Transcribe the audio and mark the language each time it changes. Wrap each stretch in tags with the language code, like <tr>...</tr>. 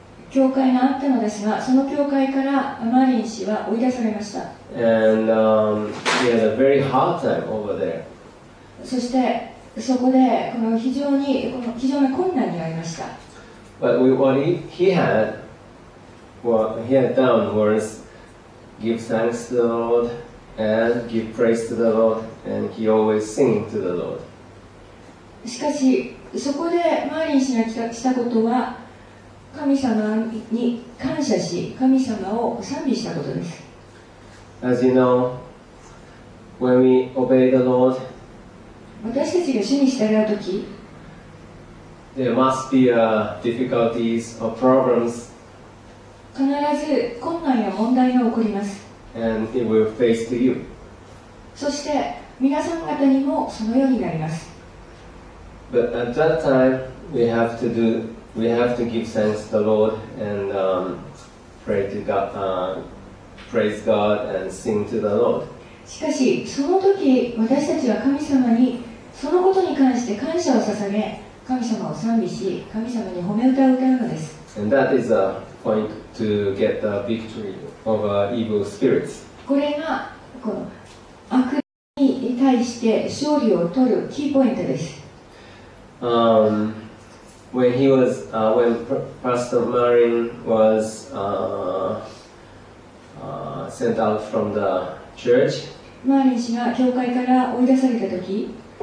<ja>教会があったのですが、その教会からマリン氏は追い出されました。</ja> <en>And he had a very hard time over there.</en> <ja>そしてそこでこの非常な困難にありました。</ja> <en>But what he had done was give thanks to the Lord. And give praise to the Lord, and he always sing to the Lord.</en> <ja>しかし、そこでマーリン氏がしたことは、神様に感謝し、神様を賛美したことです。</ja> <en>As you know, when we obey the Lord,</en> <ja>私たちが主に従うとき、</ja> <en>there must be difficulties or problems.</en> <ja>必ず困難や問題が起こります。</ja> <en>And it will face to you.</en> <ja>そして皆さん方にもそのようになります。</ja> <en>But at that time, we have to give thanks to the Lord and pray to God, praise God and sing to the Lord.</en> <ja>しかしその時私たちは神様にそのことに関して感謝を捧げ、神様を賛美し、神様に褒め歌を歌うのです。</ja> <en>And that is a point to get the victory. Of evil spirits.</en> <ja>これがこの悪に対して勝利を取るキーポイントです。</ja> <en>When he was, when Pastor Marin was sent out from the church,</en> <ja>マーリン氏が教会から追い出された時、</ja>